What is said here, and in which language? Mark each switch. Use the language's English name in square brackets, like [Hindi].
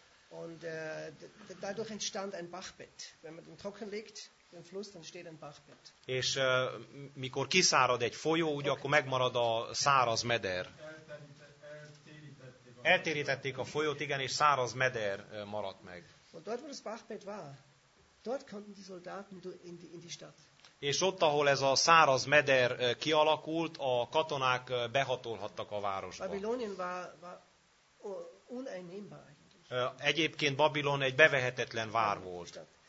[German] Und dadurch entstand ein Bachbett, wenn man den trocken legt. Den Fluss, dann steht ein Bachbett. [Hungarian] És mikor kiszárad egy folyó, ugye, akkor megmarad a száraz meder. Eltérítették a folyót, igen, és száraz meder maradt meg. [German] Und dort, wo das Bachbett war, dort konnten die Soldaten in die Stadt. [Hungarian] És ott, ahol ez a száraz meder kialakult, a katonák behatolhattak a városba. [German] Babylonien war uneinnehmbar. [Hungarian] Egyébként Babilon egy bevehetetlen vár volt.